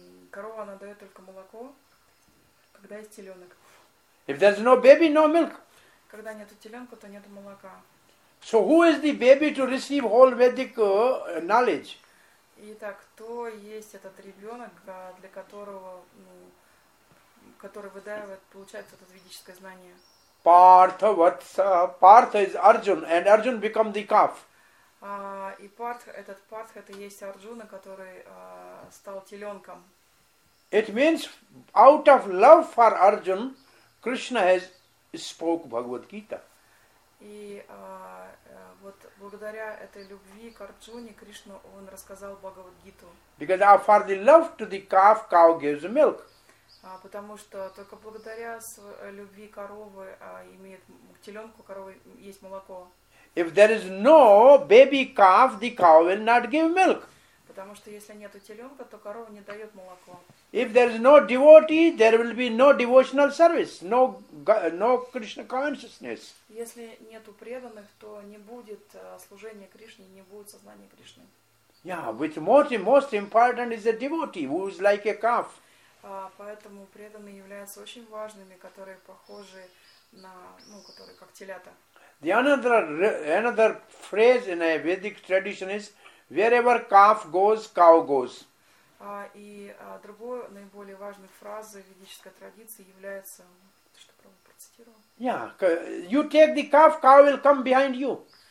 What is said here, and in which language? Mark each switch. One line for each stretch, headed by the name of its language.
Russian: Корова она дает только молоко, когда есть теленок.
English: If there's no baby, no milk.
Russian: Когда нету теленка, то нету молока.
English: So who is the baby to receive whole Vedic knowledge?
Russian: Итак, кто есть этот ребенок, для которого, ну, который выдаивает, получается, это ведическое знание?
English: Partha, Vatsa. Partha is Arjun, and Arjun become the calf.
Russian: И Partha, этот Partha, это есть Арджуна, который стал теленком.
English: It means, out of love for Arjun, Krishna has spoke Bhagavad Gita.
Russian: И вот благодаря этой любви к Арджуне, Кришна, он рассказал Бхагавад Гиту.
English: Because for the love to the calf, cow gives milk.
Russian: Потому что только благодаря любви коровы имеет теленку, коровы есть молоко.
English: If there is no baby calf, the cow will not give milk.
Russian: Потому что если нету теленка, то корова не дает молоко.
English: If there is no devotee, there will be no devotional service, no Krishna consciousness.
Russian: Если нету преданных, то не будет служения Кришне, не будет сознания Кришны.
English: Yeah, which most important is a devotee who is like a calf.
Russian: Поэтому преданные являются очень важными, которые похожи на, ну, которые как телята.
English: The another phrase in a Vedic tradition is wherever calf goes, cow goes.
Russian: И другой наиболее важной фразой ведической традиции является, что правильно процитировал?
English: Yeah, you take the calf, cow will come behind you.